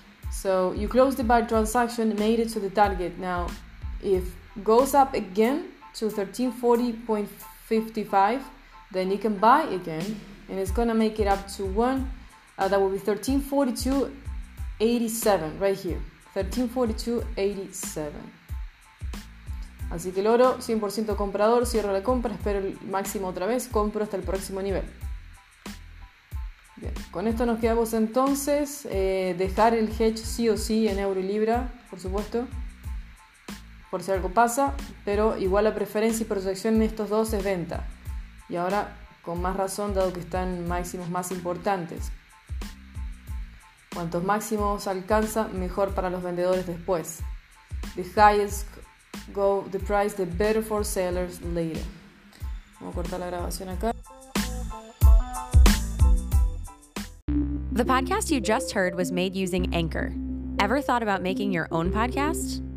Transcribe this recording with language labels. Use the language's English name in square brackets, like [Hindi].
[English] So, you close the buy transaction, made it to the target. Now, if goes up again to 13.40.55, then you can buy again and it's gonna make it up to that will be 13.42.87, right here. 13.42.87. [Spanish] Así que el oro, 100% comprador, cierro la compra, espero el máximo otra vez, compro hasta el próximo nivel. Bien. Con esto nos quedamos entonces. Dejar el hedge sí o sí en euro y libra, por supuesto, por si algo pasa, pero igual la preferencia y proyección en estos dos es venta. Y ahora con más razón, dado que están máximos más importantes. Cuantos máximos alcanza, mejor para los vendedores después. [English] The highest go the price, the better for sellers later. [Spanish] Vamos a cortar la grabación acá. [English] The podcast you just heard was made using Anchor. Ever thought about making your own podcast?